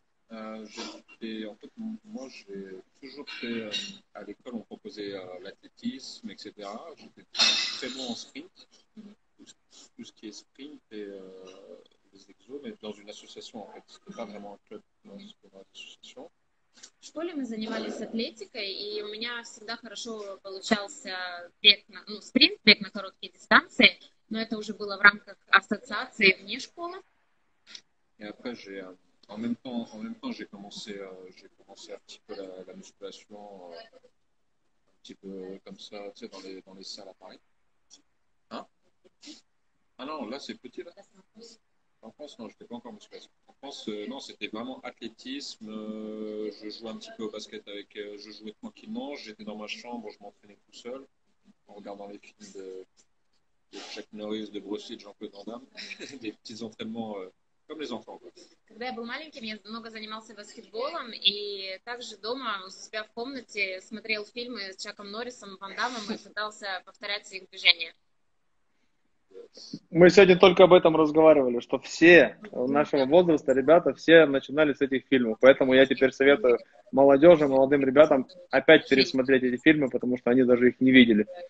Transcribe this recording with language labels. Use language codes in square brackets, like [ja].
[fr] En fait, moi, j'ai toujours fait, à l'école, on proposait l'athlétisme, etc. J'étais très bon en sprint, tout ce qui est sprint et les exos, mais dans une association, en fait. C'était pas vraiment un club, c'était une association. [ru] В школе мы занимались атлетикой, и у меня всегда хорошо получался бег на, ну, спринт, бег на короткие дистанции, но это уже было в рамках ассоциации вне школы. [fr] И après j'ai en même temps j'ai commencé un petit peu la musculation un petit peu comme ça, tu sais, dans les salles à Paris. Hein? Ah non, là c'est petit là. En France, non, je n'étais pas encore musculation. En France, non, c'était vraiment athlétisme. Je jouais un petit peu au basket avec. Je jouais tranquillement. J'étais dans ma chambre, je m'entraînais tout seul, en regardant les films de Chuck Norris, de Bruce Lee, de Jean-Claude Van Damme. Des petits entraînements comme les enfants. Quand j'étais petit, j'ai beaucoup joué au basketball. Et aussi, à la maison, je regardais les films de Chuck Norris, Van Damme, et j'essayais de reproduire leurs mouvements. [ru] Мы сегодня только об этом разговаривали, что все нашего возраста ребята, все начинали с этих фильмов. Поэтому я теперь советую молодежи, молодым ребятам опять пересмотреть эти фильмы, потому что они даже их не видели.